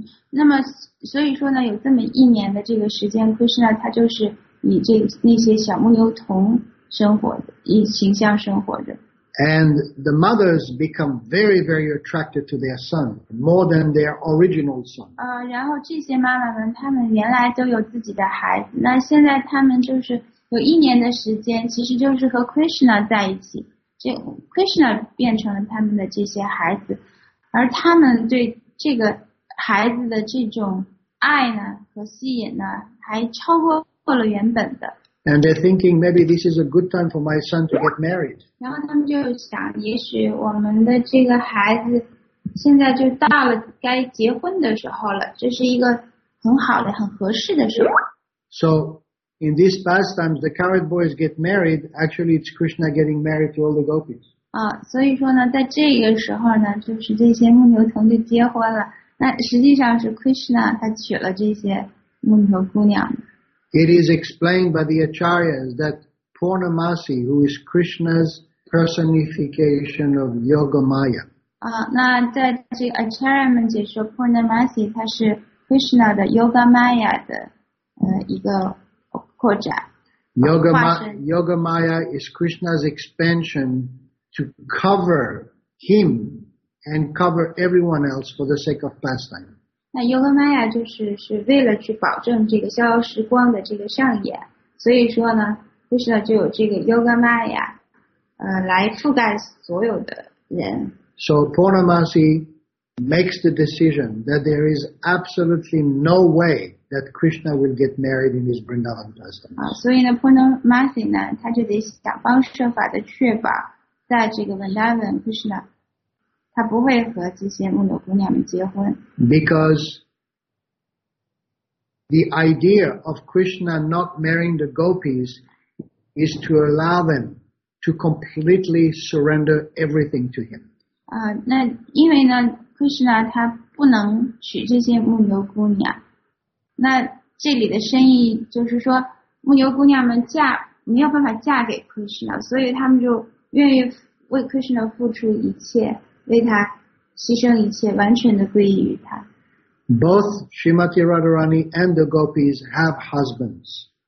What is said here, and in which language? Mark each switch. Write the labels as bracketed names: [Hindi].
[Chinese] 那么所以说呢，有这么一年的这个时间 ，Krishna 他就是以这那些小牧牛童生活的，以形象生活着。 [English] And the mothers become very, very attracted to their son, more than their original son. [Chinese] 然后这些妈妈们，她们原来都有自己的孩子，那现在她们就是有一年的时间，其实就是和 Krishna 在一起。这 Krishna 变成了她们的这些孩子，而她们对这个孩子的这种爱呢和吸引呢，还超过。 [English] And they're thinking maybe this is a good time for my son to get married. [Chinese] 然后他们就想，也许我们的这个孩子现在就到了该结婚的时候了，这是一个很好的、很合适的时候。 [English] So in these pastimes, the coward boys get married. Actually, it's Krishna getting married to all the gopis. [Chinese] 所以说呢，在这个时候呢，就是这些牧牛童就结婚了。那实际上是 Krishna 他娶了这些牧牛姑娘。 [English] It is explained by the Acharyas that Purnamasi, who is Krishna's personification of Yoga Maya. [Chinese] 那在这个 Acharya 们解说 Purnamasi, 它是 Krishna 的 Yoga Maya 的一个扩展。 [English] Yoga Maya is Krishna's expansion to cover him and cover everyone else for the sake of pastime. [Chinese] 那 Yoga Maya 就是为了去保证这个逍遥时光的这个上演，所以说呢 ，Krishna 就有这个 Yoga Maya， 来覆盖所有的人。 [English] So Purnamasi makes the decision that there is absolutely no way that Krishna will get married in his Vrindavan pastimes. [Chinese] 所以呢 ，Purnamasi 呢，他就得想方设法的确保，在这个 Vrindavan Krishna。他不会和这些牧牛姑娘们结婚。 [English] Because the idea of Krishna not marrying the gopis is to allow them to completely surrender everything to him. [Chinese] 那因为呢 ，Krishna 他不能娶这些牧牛姑娘。那这里的深意就是说，牧牛姑娘们没有办法嫁给 Krishna， 所以他们就愿意为 Krishna 付出一切。为他牺牲一切，完全的归于他。 [English] Both Srimati Radharani and the gopis have husbands.